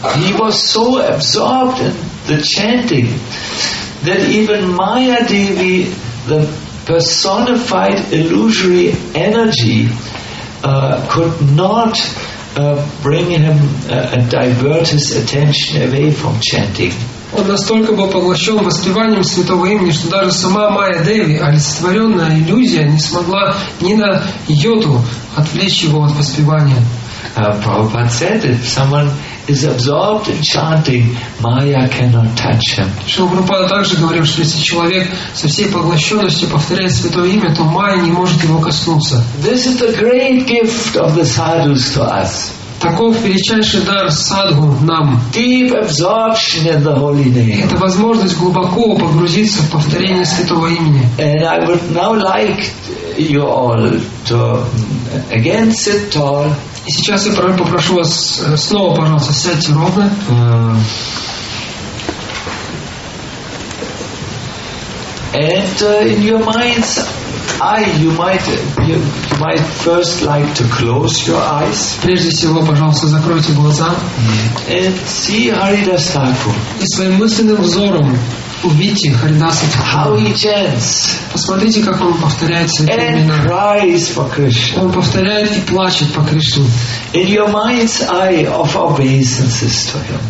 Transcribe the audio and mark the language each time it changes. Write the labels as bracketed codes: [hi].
[en] He was so absorbed in the chanting that even Maya Devi, the personified illusory energy, could not bring him and divert his attention away from chanting. [ru] Он настолько был поглощен воспеванием святого имени, что даже сама Майя Деви, олицетворенная иллюзия, не смогла ни на йоту отвлечь его от воспевания. [en] Prabhupada said, if someone is absorbed in chanting, Maya cannot touch him. [ru] Шрила Прабхупада также говорил, что если человек со всей поглощенностью повторяет святое имя, то Майя не может его коснуться. [en] This is the great gift of the sadhus to us. [ru] Таков величайший дар садху нам. [en] Deep absorption in the holy name. [ru] Это возможность глубоко погрузиться в повторение святого имени. [en] And I would now like you all to again sit tall. [ru] И сейчас я попрошу вас снова, пожалуйста, сядьте ровно. [en] And in your mind's eye, you might first like to close your eyes. [ru] Прежде всего, пожалуйста, закройте глаза. [en] And see Haridas Thakur. [ru] И своим мысленным взором увидьте Haridas Thakur. [en] How he chants. [ru] Посмотрите, как он повторяет святые имена. [en] And cries for Krishna. [ru] Он повторяет и плачет по Кришне. [en] In your mind's eye, offer obeisances to him.